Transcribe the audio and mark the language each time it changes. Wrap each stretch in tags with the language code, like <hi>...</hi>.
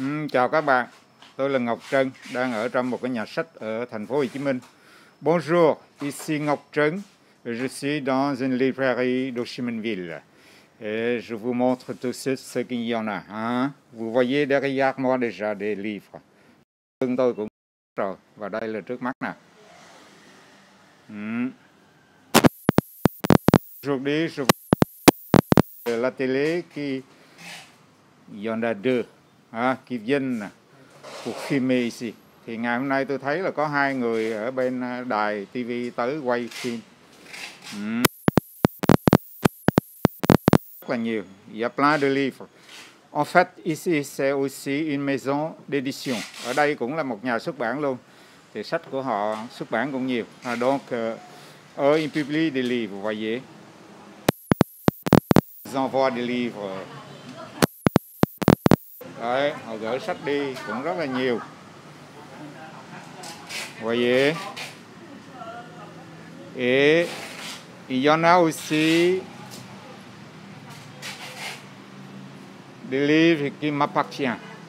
<vi>Chào các bạn, tôi là Ngọc Trân, đang ở trong một cái nhà sách ở thành phố Hồ Chí Minh.</vi> <fr>Bonjour, ici Ngọc Trân, je suis dans une librairie d'Hochiminville. Et je vous montre tout de suite ce qu'il y en a. Hein? Vous voyez derrière moi déjà des livres.</fr> <vi>Chúng tôi cũng rồi, và đây là trước mắt nè.</vi> <fr>Aujourd'hui, je vous montre la télé qui... Il y en a deux. Qui viennent pour filmer ici.</fr> <vi>Thì ngày hôm nay tôi thấy là có hai người ở bên đài TV tới quay phim. Rất là nhiều.</vi> <fr>Il y a plein de livres. En fait, ici, c'est aussi une maison d'édition.</fr> <vi>Ở đây cũng là một nhà xuất bản luôn. Thì sách của họ xuất bản cũng nhiều.</vi> <fr>Donc, eux, ils publient des livres, vous voyez. Ils envoient des livres...</fr> <vi>Đấy, họ gửi sách đi cũng rất là nhiều. Vậy ạ.</vi> <fr>Et il y en a aussi des livres qui m'appartiennent.</fr>